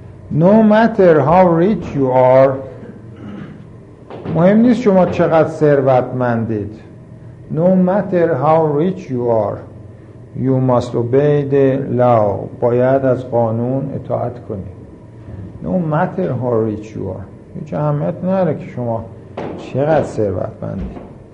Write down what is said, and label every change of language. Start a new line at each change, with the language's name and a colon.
English: No matter how rich you are,
Persian: مهم نیست شما چقدر ثروتمندید.
English: No matter how rich you are, you must obey the law.
Persian: باید از قانون اطاعت کنی.
English: No matter how rich you are.
Persian: هیچ اهمیت نداره که شما چقدر ثروتمندید.